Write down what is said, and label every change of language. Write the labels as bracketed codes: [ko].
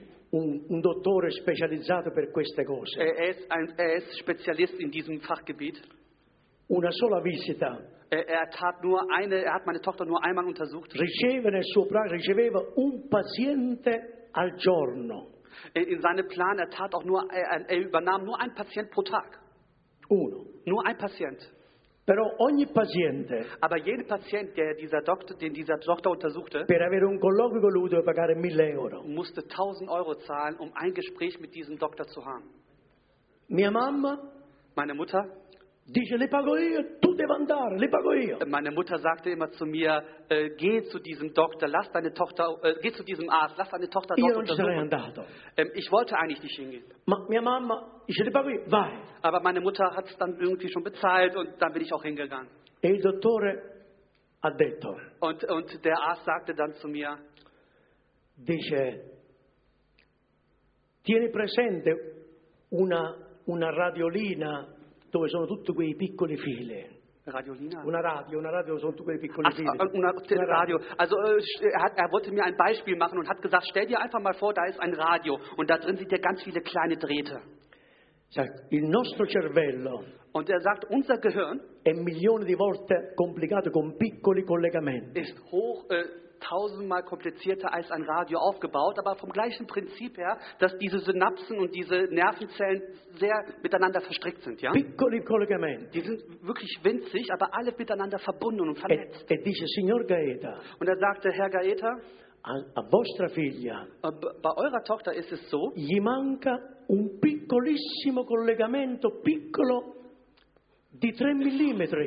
[it] un dottore specializzato per queste cose. [de] Er ist Spezialist in diesem Fachgebiet. [it] Una sola visita. [de] Er hat meine Tochter nur einmal untersucht. [it] Riceveva un paziente al giorno. [de] In seinem Plan, er übernahm nur einen Patient pro Tag. [it] Uno. [de] Nur ein Patient. [it] Però ogni paziente. [de] Aber jeder Patient, den dieser Doktor untersuchte, [it] per avere un colloquio con lui doveva pagare 1.000 euro. [de] Musste 1.000 euro zahlen, um ein Gespräch mit diesem Doktor zu haben. [it] Mia mamma. [de] Meine Mutter. [it] Dice, le pago io, tu devi andare, le pago io. [de] Meine Mutter sagte immer zu mir, geh zu diesem Doktor, lass deine Tochter, geh zu diesem Arzt, lass deine Tochter dort untersuchen. [it] Io non sarei andato. [de] Ich wollte eigentlich nicht hingehen. [it] Ma mia mamma, dice, le pago io, vai. [de] Aber meine Mutter hat es dann irgendwie schon bezahlt und dann bin ich auch hingegangen. [it] E il dottore ha detto. [de] Und der Arzt sagte dann zu mir. [it] dice: tieni presente una radiolina dove sono tutti quei piccoli fili. Radiolina, una radio, sono tutti quei piccoli fili. Una radio. [de] Also er wollte mir ein Beispiel machen und hat gesagt: stell dir einfach mal vor, da ist ein Radio und da drin sind ja ganz viele kleine Drähte. [it] Il nostro cervello. [de] Und er sagt, unser Gehirn [it] è milioni di volte complicato con piccoli collegamenti. [de] Ist hoch tausendmal komplizierter als ein Radio aufgebaut, aber vom gleichen Prinzip her, dass diese Synapsen und diese Nervenzellen sehr miteinander verstrickt sind. Ja? [it] Piccoli collegamenti. [de] Die sind wirklich winzig, aber alle miteinander verbunden und vernetzt. [it] E dice signor Gaeta. [de] Und er sagte, Herr Gaeta, [it] a vostra figlia, [de] bei eurer Tochter ist es so, [it] gli manca un piccolissimo collegamento, piccolo, di 3 mm.